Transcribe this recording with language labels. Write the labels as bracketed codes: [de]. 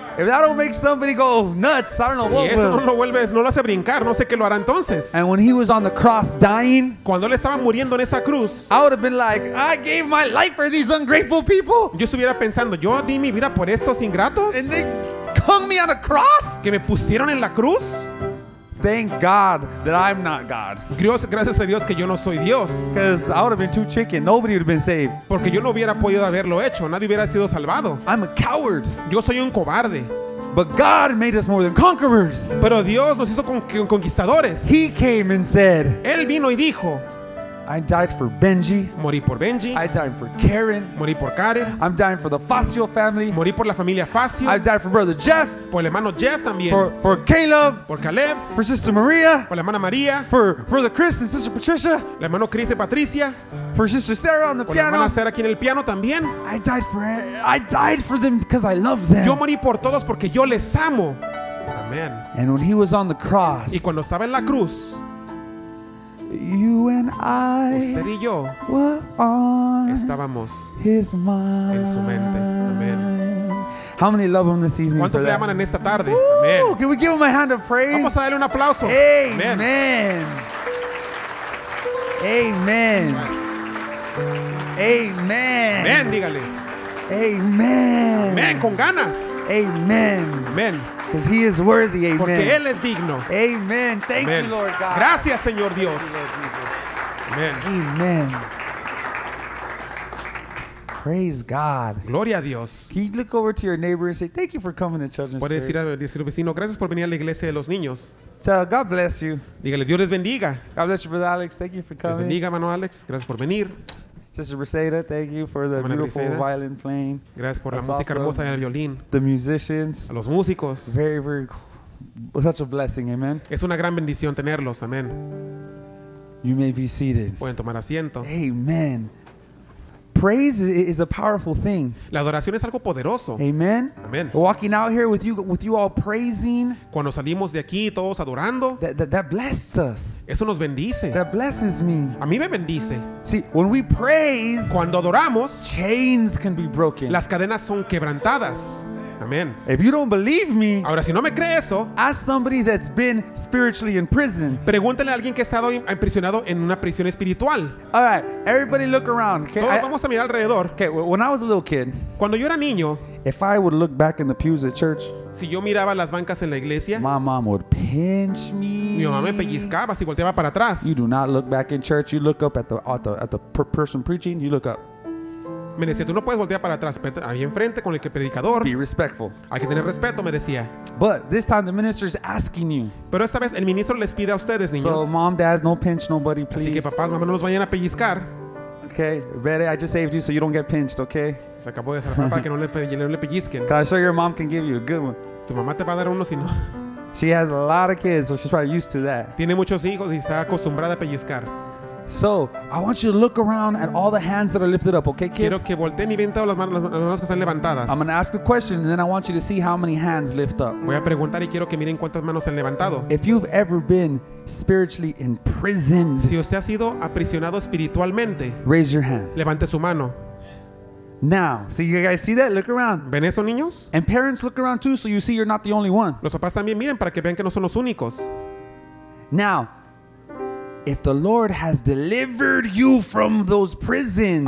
[en] If that don't make somebody go nuts, I don't know what will. [es] Si eso no lo vuelve, no lo hace brincar, no sé qué lo hará entonces. [en] And when he was on the cross dying, [es] cuando él estaba muriendo en esa cruz, [en] I would have been like, I gave my life for these ungrateful people. [es] Yo estuviera pensando, yo di mi vida por estos ingratos. [en] And they hung me on a cross. [es] Que me pusieron en la cruz. [en] Thank God that I'm not God. [es] Gracias a Dios que yo no soy Dios. [en] Because I would have been too chicken. Nobody would have been saved. [es] Porque yo no hubiera podido haberlo hecho. Nadie hubiera sido salvado. [en] I'm a coward. [es] Yo soy un cobarde. [en] But God made us more than conquerors. [es] Pero Dios nos hizo conquistadores. [en] He came and said, [es] él vino y dijo, [en] I died for Benji. [es] Morí por Benji. [en] I died for Karen. [es] Morí por Karen. [en] I'm dying for the Facio family. [es] Morí por la familia Facio. [en] I died for brother Jeff. [es] Por el hermano Jeff también. [en] For Caleb. [es] Por Caleb. [en] For sister Maria. [es] Por la hermana Maria. [en] For brother Chris and sister Patricia. [es] La hermano Chris y Patricia. [en] For sister Sarah on the [es] por [en] piano. [es] Por la hermana Sarah aquí en el piano también. [en] I died for them because I love them. [es] Yo morí por todos porque yo les amo. [en] Amen. And when he was on the cross. [es] Y cuando estaba en la cruz. [en] You and I, [es] usted y yo, [en] were on [es] estábamos [en] his mind. [es] En su mente. Amen. [en] How many love him this evening? [es] ¿Cuántos le [en] that? [es] Aman en esta tarde? [en] Amen. Can we give him a hand of praise? [es] Vamos a darle un aplauso. [en] Amen. Amen. Amen. [es] Amen. Amen. Dígale. [en] Amen. [es] Amen. Con ganas. [en] Amen. Amen. Because he is worthy, amen. [es] Porque él es digno. [en] Amen. Thank amen. You, Lord God. [es] Gracias, Señor Dios. [en] Amen. Amen. Praise God. [es] Gloria a Dios. [en] Can you look over to your neighbor and say, thank you for coming to Children's Church. [es] Puede decir al vecino, gracias por venir a la iglesia de los niños. [en] Tell God bless you. [es] Dígale, Dios les bendiga. [en] God bless you, brother Alex. Thank you for coming. [es] Les bendiga, hermano Alex. Gracias por venir. [en] Sister Berceda, thank you for the beautiful violin playing. [es] Gracias por la música hermosa del violín. [en] The musicians. [es] A los músicos. [en] Very, very cool. Such a blessing, amen. [es] Es una gran bendición tenerlos, amen. [en] You may be seated. [es] Pueden tomar asiento. [en] Amen. Praise is a powerful thing. [es] La adoración es algo poderoso. [en] Amen. Amen. Walking out here with you all praising. [es] Cuando salimos de aquí todos adorando. [en] That blesses us. [es] Eso nos bendice. [en] That blesses me. [es] A mí me bendice. [en] See, when we praise. [es] Cuando adoramos. [en] Chains can be broken. [es] Las cadenas son quebrantadas. Amen. [en] If you don't believe me, [es] ahora si no me cree eso, [en] ask somebody that's been spiritually in prison. [es] Pregúntale a alguien que ha estado imprisionado en una prisión espiritual. [en] All right, everybody look around. Okay, [es] todos vamos a mirar alrededor. [en] Okay, when I was a little kid, [es] cuando yo era niño, [en] if I would look back in the pews at church, [es] si yo miraba las bancas en la iglesia, [en] my mom would pinch me. [es] Mi mamá me pellizcaba si volteaba para atrás. [en] You do not look back in church. You look up at the person preaching. You look up. [es] Me decía, tú no puedes voltear para atrás, ahí enfrente con el que predicador. [en] Be respectful. [es] Hay que tener respeto, me decía. [en] But this time the minister is asking you. [es] Pero esta vez el ministro les pide a ustedes, niños. [en] So mom, dads, no pinch nobody, please. [es] Así que papás, mamás, no los vayan a pellizcar. [en] Okay, ready? I just saved you, so you don't get pinched, okay? [es] Se acabó de salvar para que no le pellizquen. [en] I'm sure your mom can give you a good one. [es] Tu mamá te va a dar uno si no. [en] She has a lot of kids, so she's probably used to that. [es] Tiene muchos hijos y está acostumbrada a pellizcar. [en] So, I want you to look around at all the hands that are lifted up, okay, kids? [es] Quiero que volteen y vean todas las manos que están levantadas. [en] I'm going to ask a question, and then I want you to see how many hands lift up. [es] Voy a preguntar y quiero que miren cuántas manos han levantado. [en] If you've ever been spiritually imprisoned, [es] si usted ha sido aprisionado espiritualmente, [en] raise your hand. [es] Levante su mano. [en] Now, so you guys see that? Look around. [es] ¿Ven eso, niños? [en] And parents, look around too, so you see you're not the only one. [es] Los papás también miren para que vean que no son los únicos. [en] Now, if the Lord has delivered you from those prisons,